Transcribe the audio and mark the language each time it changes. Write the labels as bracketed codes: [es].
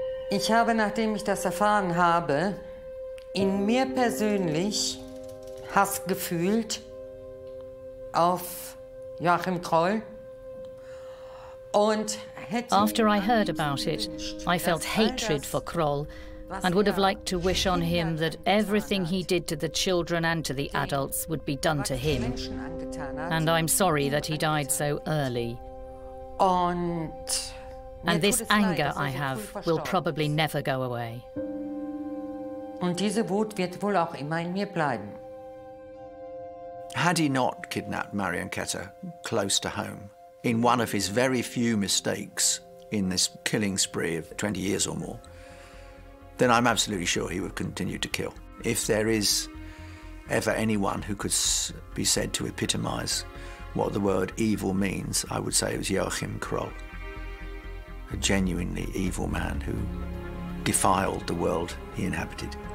[de] Ich habe, nachdem ich das erfahren habe, in mir persönlich Hass gefühlt auf Joachim Kroll. Und [en] after I heard about it, I felt hatred for Kroll and would have liked to wish on him that everything he did to the children and to the adults would be done to him. And I'm sorry that he died so early. And this anger I have will probably never go away. [de] Und diese Wut wird wohl auch immer in mir bleiben. [en] Had he not kidnapped Marion Ketter close to home, in one of his very few mistakes in this killing spree of 20 years or more, then I'm absolutely sure he would continue to kill. If there is ever anyone who could be said to epitomize what the word evil means, I would say it was Joachim Kroll, a genuinely evil man who defiled the world he inhabited.